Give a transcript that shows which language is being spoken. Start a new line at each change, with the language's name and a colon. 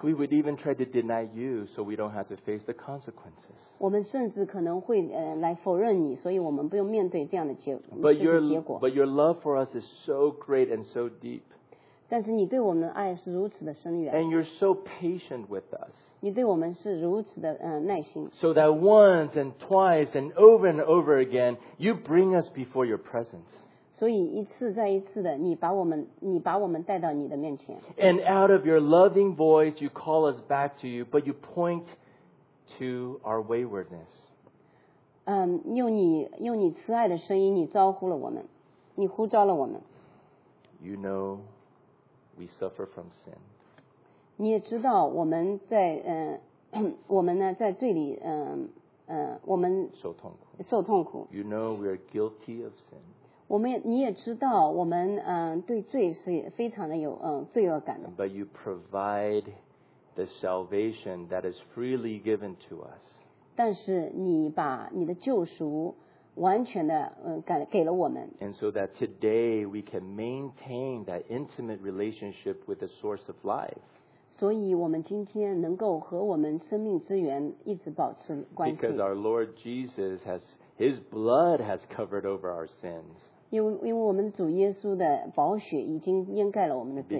English: We would even try to deny you so we don't have to face the consequences.
Chinese: 我们甚至可能会来否认你，所以我们不用面对这样的结果。
English: But your love for us is so great and so deep.
Chinese: 但是你对我们的爱是如此的深远。
English: And you're so patient with us.
Chinese: 你对我们是如此的耐心。
English: So that once and twice and over again, you bring us before your presence.
Chinese: 所以一次再一次的，你把我们带到你的面前。
English: And out of your loving voice, you call us back to you, but you point to our waywardness.
Chinese: 用你慈爱的声音，你呼召了我们。
English: You know. We suffer from sin.
Chinese: 你也知道我们在我们呢在罪里我们受痛苦。
English: You know we are guilty of sin.
Chinese: 我们你也知道我们对罪是非常的有罪恶感的。
English: But you provide the salvation that is freely given to us.
Chinese: 但是你把你的救赎完全的给了我们。
English: And so that today we can maintain that intimate relationship with the source of life.
Chinese: 所以我们今天能够和我们生命之源一直保持关系。
English: Because our Lord Jesus has, His blood has covered over our sins.
Chinese: 因为我们主耶稣的宝血已经掩盖了我们的罪。